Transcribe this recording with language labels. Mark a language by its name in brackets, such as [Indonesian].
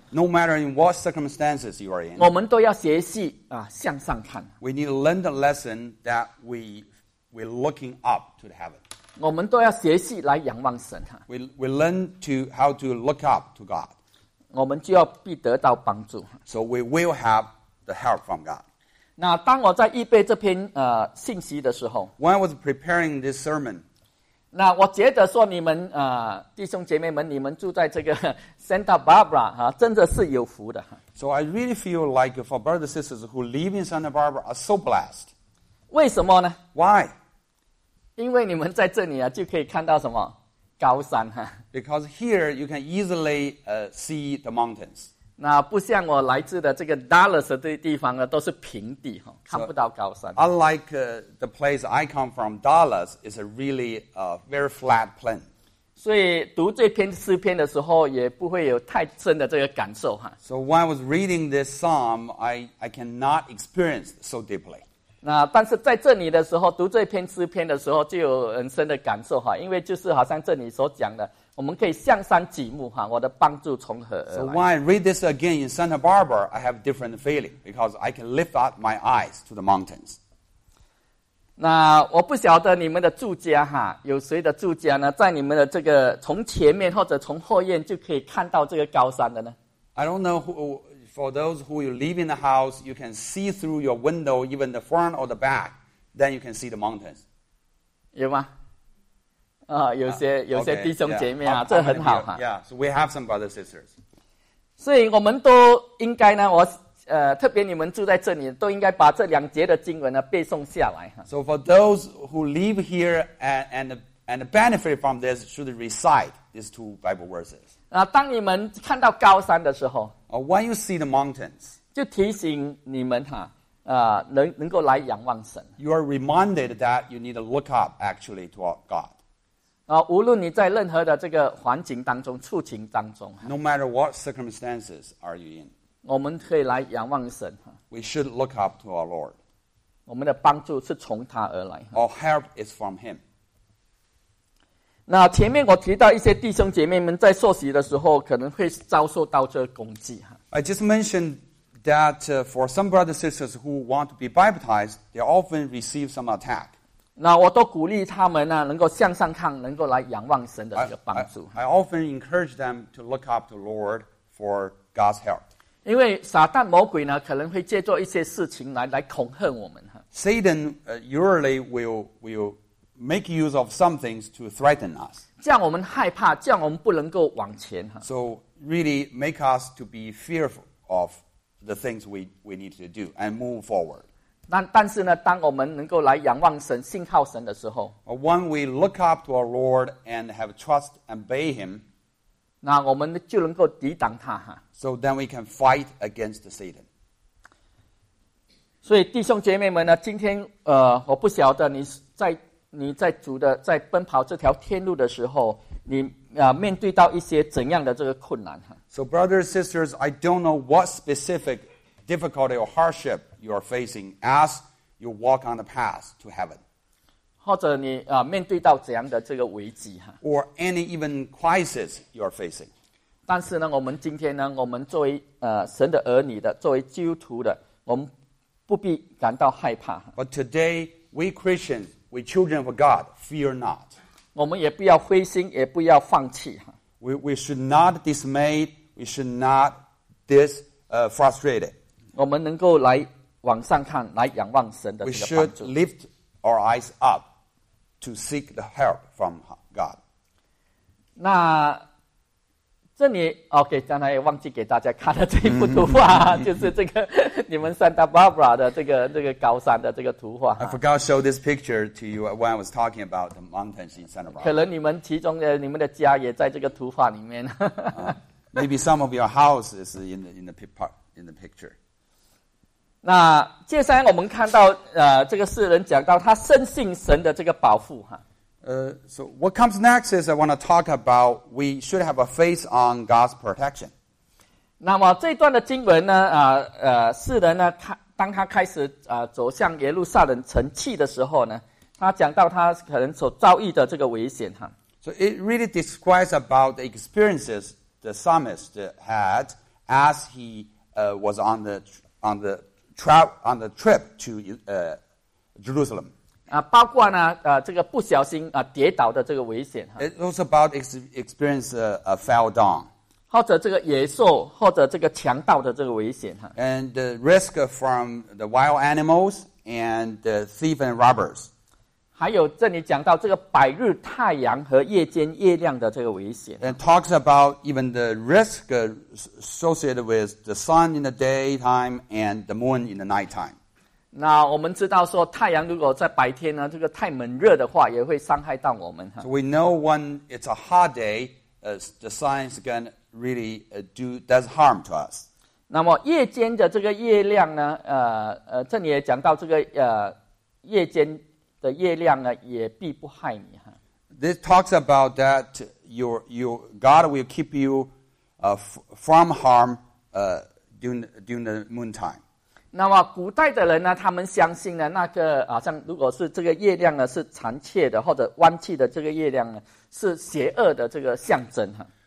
[English] ,No matter in what circumstances you are in, [Chinese] 我们都要学习向上看。 [English] We need to learn the lesson that we're looking up to the heaven. [Chinese] 我们都要学习来仰望神。 [English] We learn to how to look up to God. [Chinese] 我们就要必得到帮助。 [English] So we will have the help from God. [Chinese] 那当我在预备这篇信息的时候 [English] ，When I was preparing this sermon, [Chinese] 那我觉得说你们弟兄姐妹们，你们住在这个 Santa Barbara 啊，真的是有福的。 [English] So I really feel like for brothers and sisters who live in Santa Barbara are so blessed. [Chinese] 为什么呢 [English] ？Why? [Chinese] 因为你们在这里啊，就可以看到什么？高山哈 [English] ，because here you can easily see the mountains. [Chinese] 那不像我来自的这个 Dallas 的地方呢，都是平地哈，看不到高山。 [English] So, unlike the place I come from, Dallas is a really very flat plain. [Chinese] 所以读这篇诗篇的时候，也不会有太深的这个感受哈。 [English] So when I was reading this psalm, I cannot experience so deeply. [Chinese] 那但是在这里的时候读这篇诗篇的时候就有很深的感受哈，因为就是好像这里所讲的我们可以向山举目哈，我的帮助从何而来。 [English] So when I read this again in Santa Barbara I have different feeling because I can lift up my eyes to the mountains. [Chinese] 那我不晓得你们的住家哈，有谁的住家呢在你们的这个从前面或者从后院就可以看到这个高山的呢？ [English] I don't know who... For those who you live in the house, you can see through your window, even the front or the back, then you can see the mountains. [Chinese] 有吗？有些弟兄姐妹啊， [English] okay, yeah. [Chinese] 这很好哈。 [English] Yeah, so we have some brothers and sisters. [Chinese] 所以我们都应该呢，我特别你们住在这里，都应该把这两节的经文呢背诵下来。 [English] So for those who live here and benefit from this, should recite these two Bible verses. [Chinese] 当你们看到高山的时候 [English] When you see the mountains, [Chinese] 就提醒你们能够来仰望神。 [English] You are reminded that you need to look up actually to God. [Chinese] 无论你在任何的这个环境当中、处境当中 [English] ，No matter what circumstances are you in, [Chinese] 我们可以来仰望神。 [English] We should look up to our Lord. [Chinese] 我们的帮助是从他而来。 [English] Our help is from Him. [Chinese] 那前面我提到一些弟兄姐妹们在受洗的时候可能会遭受到这个攻击。 [English] I just mentioned that for some brothers and sisters who want to be baptized, they often receive some attack. [Chinese] 那我都鼓励他们能够向上看，能够来仰望神的这个帮助。 [English] I often encourage them to look up to the Lord for God's help. [Chinese] 因为撒旦魔鬼呢可能会借助一些事情来恐吓我们。 [English] Satan usually will make use of some things to threaten us. [Chinese] 这样我们害怕，这样我们不能够往前。 [English] So really make us to be fearful of the things we need to do and move forward. [Chinese] 但是呢，当我们能够来仰望神、信靠神的时候 [English] ，When we look up to our Lord and have trust and obey Him, [Chinese] 那我们就能够抵挡他。 [English] So then we can fight against Satan. [Chinese] 所以弟兄姐妹们呢，今天我不晓得你在主的在奔跑这条天路的时候，你面对到一些怎样的这个困难 [English] ？So brothers and sisters, I don't know what specific difficulty or hardship you are facing as you walk on the path to heaven. [Chinese] 或者你面对到怎样的这个危机 [English] Or any even crisis you are facing. [Chinese] 但是呢，我们今天呢，我们作为神的儿女的，作为基督徒的，我们不必感到害怕。 [English] But today we Christians. We children of God, fear not. 我们也不要灰心，也不要放弃。 We should not dismay. We should not this frustrated. [Chinese] 我们能够来往上看，来仰望神的这个帮助。 [English] We should lift our eyes up to seek the help from God. [Chinese] 那这里 OK， 刚才也忘记给大家看了这一幅图画，就是这个你们 Santa Barbara 的这个高山的这个图画。 [English] I forgot to show this picture to you when I was talking about the mountains in Santa Barbara. [Chinese] 可能你们其中的你们的家也在这个图画里面。 [English] Maybe some of your house is in the part in the picture. [Chinese] 那接下来我们看到这个诗人讲到他深信神的这个保护哈。 [English] So what comes next is I want to talk about we should have a faith on God's protection. [Chinese] 那么这段的经文呢，诗人呢，当他开始走向耶路撒冷城去的时候呢，他讲到他可能所遭遇的这个危险哈。 [English] So it really describes about the experiences the psalmist had as he was on the trip to Jerusalem. [Chinese] 包括呢这个不小心跌倒的这个危险。 [English] It's also about experience a fell down. [Chinese] 或者这个野兽或者这个强盗的这个危险。 [English] And the risk from the wild animals and the thief and robbers. [Chinese] 还有这里讲到这个百日太阳和夜间月亮的这个危险。 [English] And talks about even the risk associated with the sun in the daytime and the moon in the nighttime. [Chinese] 那我们知道说太阳如果在白天呢，这个太闷热的话也会伤害到我们。 [English] So we know when it's a hot day, the sun is going to really does harm to us. [Chinese] 那么夜间的这个月亮呢，这里也讲到这个夜间的月亮呢也必不害你。 [English] This talks about that your God will keep you from harm during the moon time. [Chinese] 那么古代的人呢，他们相信呢，那个好像如果是这个月亮呢是残缺的或者弯曲的，这个月亮呢是邪恶的这个象征哈。